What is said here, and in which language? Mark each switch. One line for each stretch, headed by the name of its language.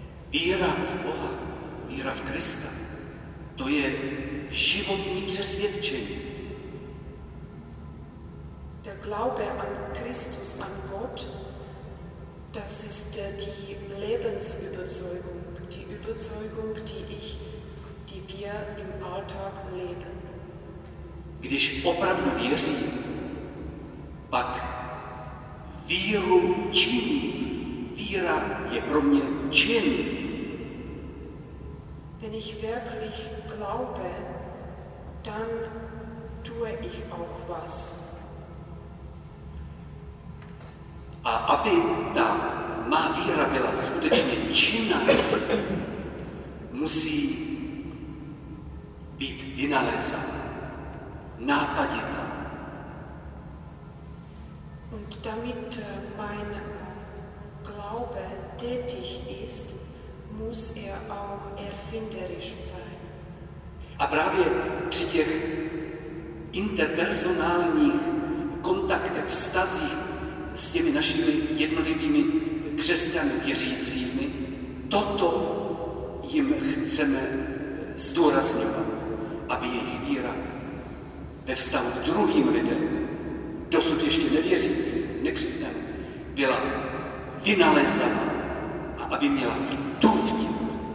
Czech: Víra v Boha, víra v Krista, to je životní přesvědčení.
German: Der Glaube an Christus, an Gott, das ist die Lebensüberzeugung, die Überzeugung, die wir im Alltag leben.
Czech: Když opravdu věřím, pak víru činím. Víra je pro mě čin.
German: Wenn ich wirklich glaube, dann tue ich auch was.
Czech: A aby ta má víra byla skutečně činná, musí být vynalézána, nápaditá.
German: Und damit mein Glaube tätig ist, muss er auch erfinderisch sein.
Czech: A právě při těch interpersonálních kontaktech, vztazích s těmi našimi jednotlivými křesťany věřícími, toto jim chceme zdůrazňovat, aby jejich víra ve vztahu k druhým lidem, dosud ještě nevěřící, nekřesťan, byla vynalezena a aby měla tu vtipu.